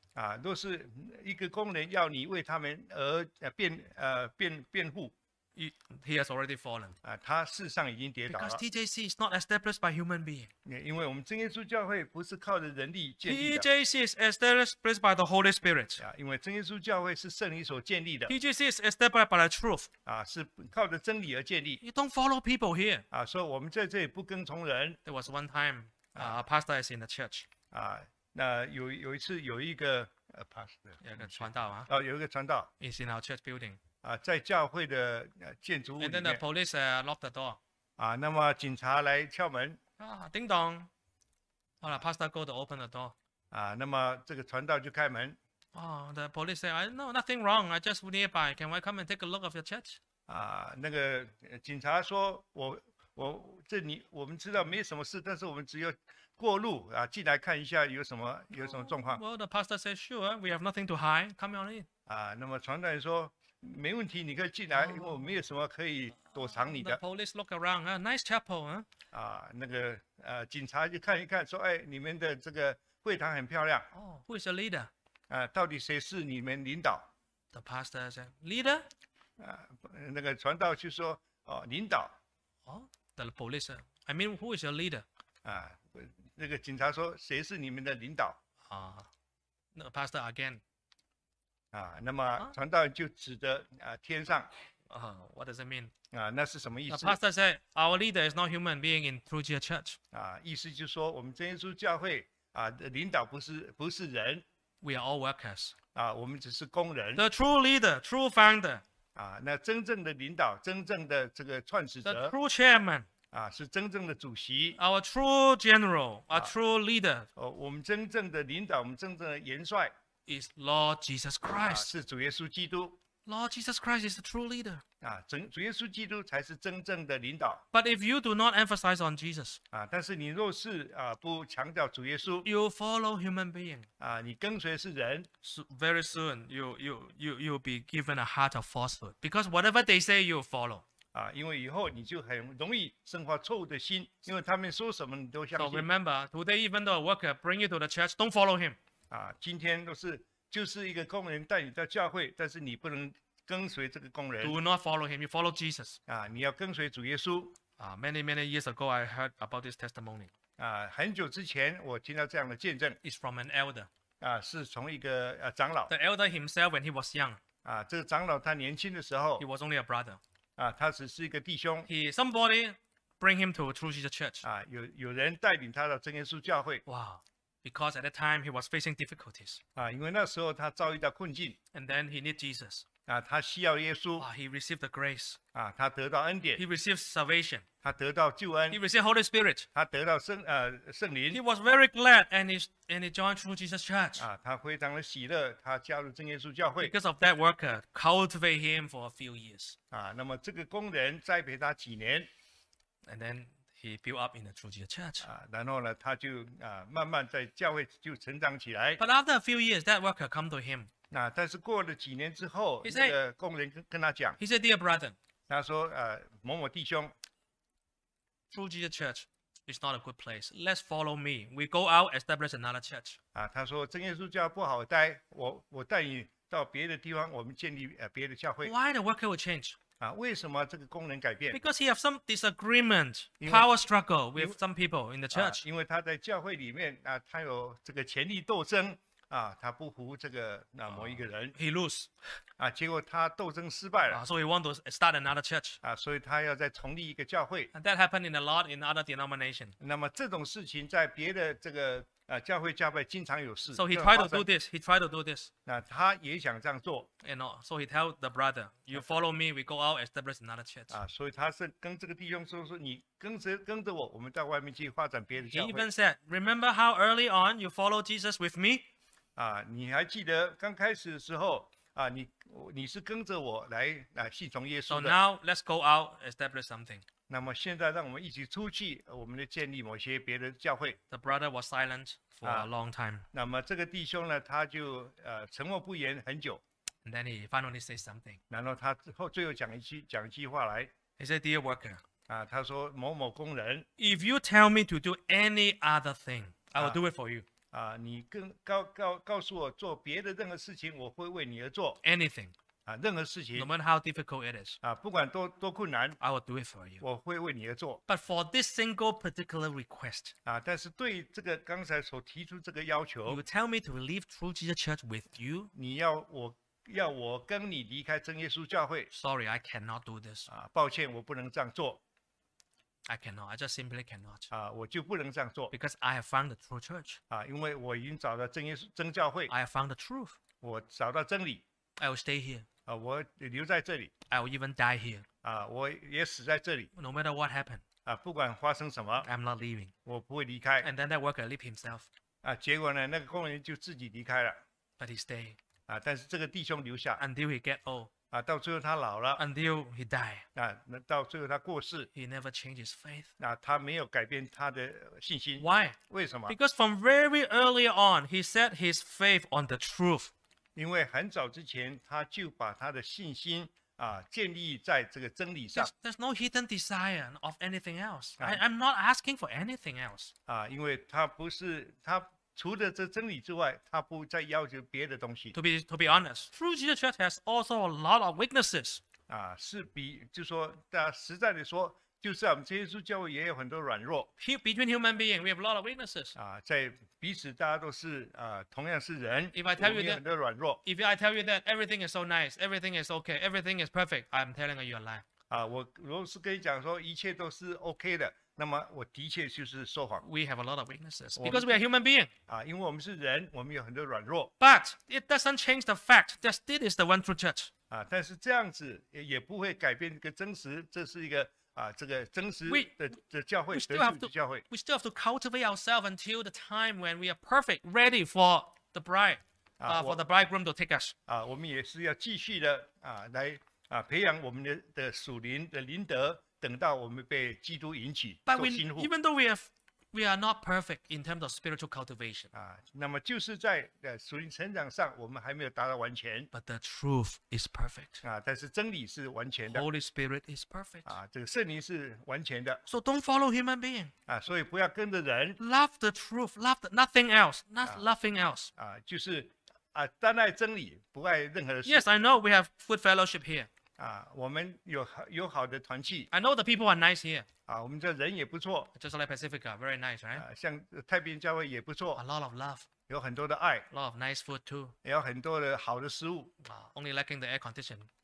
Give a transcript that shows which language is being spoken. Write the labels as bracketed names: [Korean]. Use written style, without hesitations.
[Chinese] 啊，若是一个工人要你为他们而辩护。 [English] He has already fallen. [Chinese] 啊，他事实上已经跌倒了。 [English] Because TJC is not established by human being. [Chinese] 因为我们真耶稣教会不是靠着人力建立的。 [English] TJC is established by the Holy Spirit. [Chinese] 啊，因为真耶稣教会是圣灵所建立的。 [English] TJC is established by the truth. [Chinese] 啊，是靠着真理而建立。 [English] You don't follow people here. [Chinese] 啊，所以我们在这里不跟从人。 [English] There was one time, pastor is in the church. [Chinese] 啊，那有一次有一个pastor，有一个传道啊。哦，有一个传道。 [English] Is in our church building. [Chinese] 在教会的建筑物里面。 [English] And then the police locked the door. [Chinese] 啊，那么警察来敲门。啊，叮咚。好了 [English] ，pastor go to open the door. [Chinese] 啊，那么这个传道就开门。 [English] The police say, "I know nothing wrong. I just nearby. Can I come and take a look of your church?" [Chinese] 啊，那个警察说，我们知道没什么事，但是我们只有过路啊，进来看一下有什么状况。 [English] Well, the pastor says, "Sure, we have nothing to hide. Come on in." [Chinese] 啊，那么传道人说。没问题，你可以进来，因为我没有什么可以躲藏你的。 [English] The police look around, nice chapel, huh? [Chinese] 啊，那个警察就看一看，说，哎，你们的这个会堂很漂亮。 [English] Who is the leader? [Chinese] 啊，到底谁是你们领导 [English] ？The pastor said, leader. [Chinese] 啊，那个传道就说，哦，领导。 [English] The police, I mean, who is the leader? [Chinese] 啊，那个警察说，谁是你们的领导？ [English] 啊 ，The pastor again. [Chinese] 那么传道就指着天上。 [English] What does it mean? [Chinese] 那是什么意思 [English] ？The pastor said our leader is not human being in True Jesus Church. [Chinese] 意思就是说我们真耶稣教会领导不是人。 [English] We are all workers. [Chinese] 我们只是工人。 [English] The true leader, true founder. [Chinese] 那真正的领导，真正的这个创始者。 [English] The true chairman. [Chinese] 是真正的主席。 [English] Our true general, our true leader. [Chinese] 我们真正的领导，我们真正的元帅。 [English] Is Lord Jesus Christ？ [Chinese] 是主耶稣基督。 [English] Lord Jesus Christ is the true leader。 [Chinese] 主耶稣基督才是真正的领导。 [English] But if you do not emphasize on Jesus， [Chinese] 但是你若是不强调主耶稣 [English] ，you follow human being。 [Chinese] 你跟随是人。 [English] Very soon you'll be given a heart of falsehood because whatever they say you follow。 [Chinese] 因为以后你就很容易生化错误的心，因为他们说什么你都相信。 [English] So remember today, even though a worker bring you to the church, don't follow him。 [Chinese] 今天都是就是一个工人带你到教会，但是你不能跟随这个工人。 [English] Do not follow him, you follow Jesus. [Chinese] 你要跟随主耶稣。 [English] Many years ago, I heard about this testimony. [Chinese] 很久之前我听到这样的见证。 [English] It's from an elder. [Chinese] 是从一个长老。 [English] The elder himself, when he was young. [Chinese] 这个长老他年轻的时候。 [English] He was only a brother. [Chinese] 他只是一个弟兄。 [English] He somebody bring him to True Jesus Church. [Chinese] 有人带领他到真耶稣教会。 [English] Wow. Because at that time he was facing difficulties. [Chinese] 因为那时候他遭遇到困境。 [English] And then he needed Jesus. [Chinese] 他需要耶稣。 [English] He received the grace. [Chinese] 他得到恩典。 [English] He received salvation. [Chinese] 他得到救恩。 [English] He received Holy Spirit. [Chinese] 他得到圣灵。 [English] He was very glad and he joined True Jesus Church. [Chinese] 他非常的喜乐，他加入真耶稣教会。 [English] Because of that worker, cultivate him for a few years. [Chinese] 那么这个工人栽培他几年。 [English] And then. He built up in the True Jesus Church. [Chinese] 然后呢，他就慢慢在教会就成长起来。 [English] But after a few years, that worker come to him. [Chinese] 但是过了几年之后，那个工人跟他讲。 [English] He said, "Dear brother." [Chinese] 他说某某弟兄。 [English] True Jesus Church is not a good place. Let's follow me. We go out and establish another church. [Chinese] 他说真耶稣教不好待，我带你到别的地方，我们建立别的教会。 [English] Why the worker will change? [Chinese] 为什么这个功能改变? [English] Because he has some disagreement, power struggle with some people in the church. [Chinese] 因为他在教会里面,他有这个权力斗争, 他不服这个某一个人, [English] he lose. [Chinese] 结果他斗争失败了, [English] so he wants to start another church. [Chinese] 所以他要再成立一个教会, [English] and that happened in a lot in other denominations. [Chinese] 那么这种事情在别的这个, 教会经常有事, [English] so he tried to do this. He tried to do this. [Chinese] 他也想这样做, [English] and all. So he tell the brother, "You follow me. We go out, establish another church." [Chinese] 所以他是跟这个弟兄说，你跟着我，我们到外面去发展别的教会。 [English] He even said, "Remember how early on you follow Jesus with me?" [Chinese] 你还记得刚开始的时候, 你是跟着我来信从耶稣的。 [English] So now let's go out, establish something. [Chinese] 那么现在让我们一起出去，我们就建立某些别的教会。 [English] The brother was silent for a long time. [Chinese] 那么这个弟兄呢，他就沉默不言很久。 [English] And then he finally says something. [Chinese] 然后他最后讲一句话来。 [English] He said, "Dear worker," [Chinese] 他说某某工人。 [English] "If you tell me to do any other thing, I will do it for you." [Chinese] 你告诉我做别的任何事情，我会为你而做。 [English] Anything. [Chinese] 任何事情, [English] no matter how difficult it is, [Chinese] 不管多困难, [English] I will do it for you. [Chinese] 我会为你而做。 [English] But for this single particular request, [Chinese] 但是对这个刚才所提出这个要求, [English] you tell me to leave True Jesus Church with you. [Chinese] 要我跟你离开真耶稣教会。 [English] Sorry, I cannot do this. [Chinese] 抱歉, 我不能这样做。 [English] I cannot. I just simply cannot. [Chinese] 我就不能这样做。 [English] Because I have found the true church. [Chinese] 因为我已经找到真耶稣真教会。 [English] I have found the truth. [Chinese] 我找到真理。 [English] I will stay here. [Chinese] 我留在这里。 [English] I will even die here. [Chinese] 我也死在这里。 [English] No matter what happened. [Chinese] 不管发生什么。 [English] I'm not leaving. [Chinese] 我不会离开。 [English] And then that worker leave himself. [Chinese] 结果呢, 那个工人就自己离开了。 [English] But he stay. [Chinese] 但是这个弟兄留下。 [English] Until he get old. [Chinese] 到最后他老了。 [English] Until he die. [Chinese] 到最后他过世。 [English] He never change his faith. [Chinese] 他没有改变他的信心。 [English] Why? [Chinese] 为什么? [English] Because from very early on, he set his faith on the truth. [Chinese] 因为很早之前他就把他的信心, 建立在这个真理上。 [English] There's no hidden desire of anything else. I'm not asking for anything else. [Chinese] 因为他除了这真理之外, 他不再要求别的东西。 [English] To be honest, True Jesus Church has also a lot of weaknesses. [Chinese] 是比就说, 实在地说, 就是我们这些教会也有很多软弱。 [English] Between human beings, we have a lot of weaknesses. [Chinese] 在彼此大家都是, 同样是人, [English] if I tell you that, [Chinese] 我们也有很多软弱。 [English] If I tell you that everything is so nice, everything is okay, everything is perfect, I'm telling you a lie. [Chinese] 我如果是跟你讲说, 一切都是OK的, 那么我的确就是说谎。 [English] We have a lot of weaknesses because we are human beings. [Chinese] 因为我们是人, 我们有很多软弱。 [English] But it doesn't change the fact that this is the one true church. [Chinese] 但是这样子也不会改变一个真实, 这是一个, 这个真实的教会, [English] we still have to cultivate ourselves until the time when we are perfect, ready for the bride, for the bridegroom to take us. [Chinese] 我们也是要继续的, 培养我们的属灵的灵德, 等到我们被基督引起, [English] but even though we are not perfect in terms of spiritual cultivation, [Chinese] 那么就是在属灵成长上, 我们还没有达到完全, [English] but the truth is perfect. [Chinese] 但是真理是完全的, [English] Holy Spirit is perfect. [Chinese] 这个圣灵是完全的, [English] so don't follow human being. [Chinese] 所以不要跟着人, [English] love the truth, love the, nothing else, not nothing else. [Chinese] 就是, 单爱真理, 不爱任何的事。 [English] Yes, I know we have good fellowship here. [Chinese] 我们有好的团契。 [English] I know the people are nice here. [Chinese] 我们这人也不错。 [English] Just like Pacifica, very nice, right? [Chinese] 像太平洋教会也不错。 [English] A lot of love. [Chinese] 有很多的爱。 [English] A lot of nice food too. [Chinese] 也有很多的好的食物。 [English] Only lacking the air condition.